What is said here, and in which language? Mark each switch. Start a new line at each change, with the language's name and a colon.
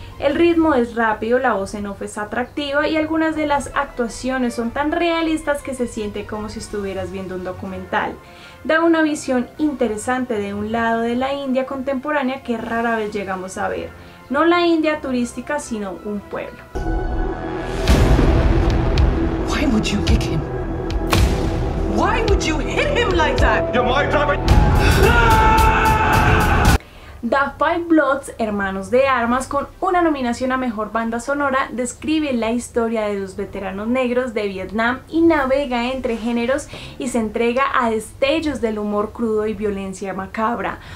Spanish: El ritmo es rápido, la voz en off es atractiva y algunas de las actuaciones son tan realistas que se siente como si estuvieras viendo un documental. Da una visión interesante de un lado de la India contemporánea que rara vez llegamos a ver. No la India turística, sino un pueblo.
English: Why would you kick him? Why would you hit him like that? You might drop it.
Spanish: The Five Bloods, Hermanos de Armas, con una nominación a mejor banda sonora, describe la historia de dos veteranos negros de Vietnam y navega entre géneros y se entrega a destellos del humor crudo y violencia macabra.